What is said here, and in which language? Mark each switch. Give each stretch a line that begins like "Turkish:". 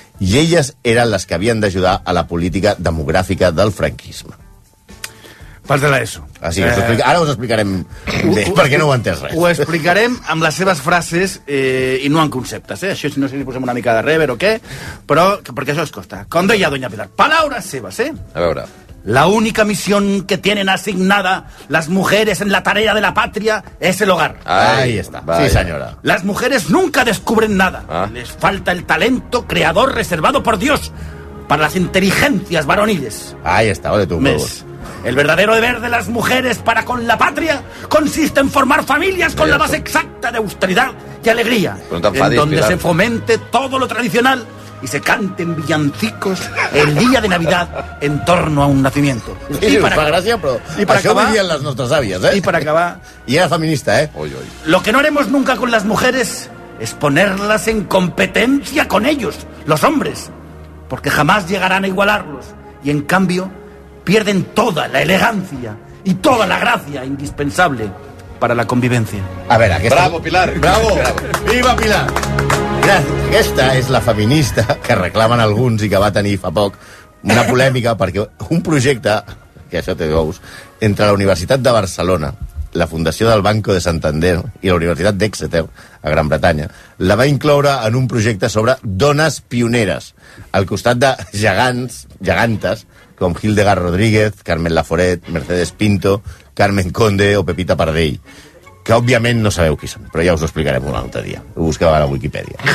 Catalan: I elles eren les que havien d'ajudar a la política demogràfica del franquisme. Pas de l'ESO. Ah, sí, ara us explicarem bé, perquè no ho entès res. Ho explicarem amb les seves frases i no en conceptes, eh? Això no sé si posem una mica de rever o què, però perquè això es costa. Com deia doña Pilar,
Spanish: palabras
Catalan: seves, eh? A veure.
Spanish: La única misión que tienen asignada las mujeres en la tarea de la patria es el hogar. Ahí está. Vaya. Sí, señora. Las mujeres nunca descubren nada. Ah. Les falta el talento creador reservado por Dios para las inteligencias varoniles. Ahí está, ole tú, huevos. El verdadero deber de las mujeres para con la patria consiste en formar familias con la base exacta de austeridad y alegría. Pero no te enfades, en donde se fomente todo lo tradicional y se canten villancicos el día de Navidad en torno a un nacimiento.
Catalan: Sí, para fa gràcia, però y para això acabar, vivien les nostres àvies, eh?
Spanish: Y para acabar... Y era feminista, eh? Oy, oy. Lo que no haremos nunca con las mujeres es ponerlas en competencia con ellos, los hombres, porque jamás llegarán a igualarlos. Y en cambio... pierden toda la elegancia y toda la gracia indispensable para la convivencia. A ver,
Catalan: aquesta...
Spanish: Bravo, Pilar. Bravo. Viva, Pilar. Gracias.
Catalan: Aquesta és la feminista que reclamen alguns i que va tenir fa poc una polèmica perquè un projecte, que això té ous, entre la Universitat de Barcelona, la Fundació del Banco de Santander i la Universitat d'Exeter, a Gran Bretanya, la va incloure en un projecte sobre dones pioneres, al costat de gegants, gegantes, com Hildegard Rodríguez, Carmen Laforet, Mercedes Pinto, Carmen Conde o Pepita Pardell, que òbviament no sabeu qui són, però ja us ho explicarem un altre dia. Ho busqueu a la Wikipedia.